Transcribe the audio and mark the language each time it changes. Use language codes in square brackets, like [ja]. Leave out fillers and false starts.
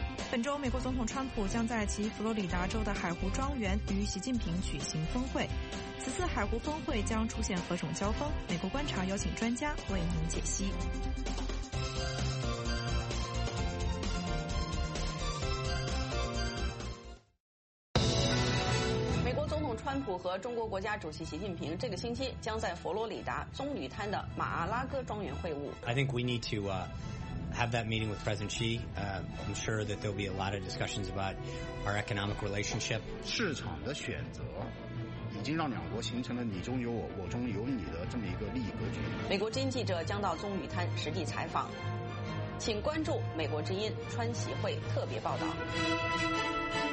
[zh] 本周美国总统川普将在其佛罗里达州的海湖庄园与习近平举行峰会，此次海湖峰会将出现何种交锋，美国观察邀请专家为您解析。美国总统川普和中国国家主席习近平这个星期将在佛罗里达棕榈滩的马阿拉戈庄园会晤。 [en] I think we need to have that meeting with President Xi. I'm sure that there'll be a lot of discussions about our economic relationship. [zh] 市场的选择已经让两国形成了你中有我，我中有你的这么一个利益格局。美国之音记者将到棕榈滩实地采访，请关注美国之音川奇会特别报道。